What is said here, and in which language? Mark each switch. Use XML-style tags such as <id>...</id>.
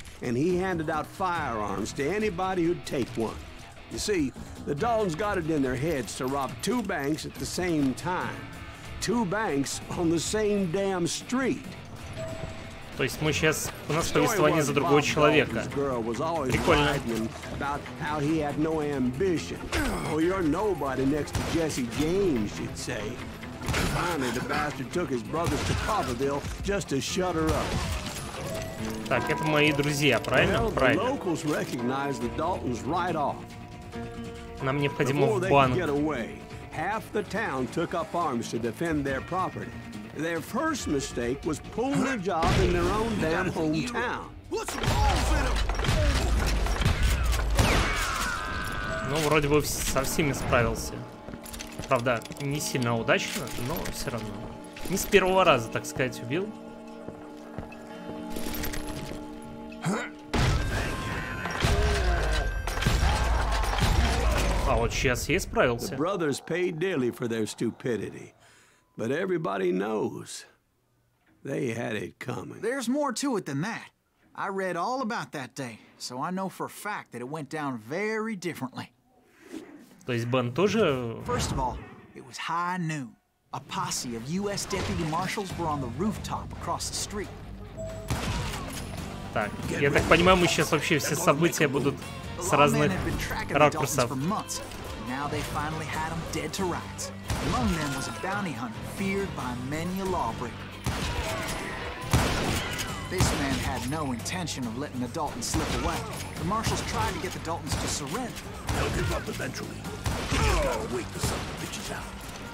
<en>And he handed out firearms to anybody who'd take one. You see, the Daltons got it in their heads to rob two banks at the same time. Two banks on the same damn street.</en> <ru>То есть мы сейчас, у нас повествование за другого человека. Прикольно.</ru> <en>About how he had no ambition. Oh, you're nobody next to Jesse James, you'd say. Finally, the bastard took his brothers to Coffeyville just to shut her up.</en> <ru>Так, это мои друзья, правильно? Правильно. Нам необходимо в банк.</ru> <en>Half the town took up arms to defend their property. Their first mistake was pulling a job in their own damn hometown.</en> <ru>Ну, вроде бы со всеми справился. Правда, не сильно удачно, но все равно. не с первого раза, так сказать, убил. А вот сейчас я справился.</ru> <en>Brothers paid dearly for their stupidity, but everybody knows they had it coming. There's more to it than that. I read all about that day, so I know for a fact that it went down very differently.</en> <ru>То есть Бен тоже.</ru> <en>First of all, it was high noon. A posse of U.S. deputy marshals were on the rooftop across the street.</en> <ru>Так, я так понимаю, мы сейчас вообще все события будут с разных ракурсов.</ru> <en>Now they finally had him dead to rights. Among them was a bounty hunter feared by many a lawbreaker. This man had no intention of letting the Daltons slip away. The marshals tried to get the Daltons to surrender. They'll give up eventually. You gotta wait for some bitches out.</en>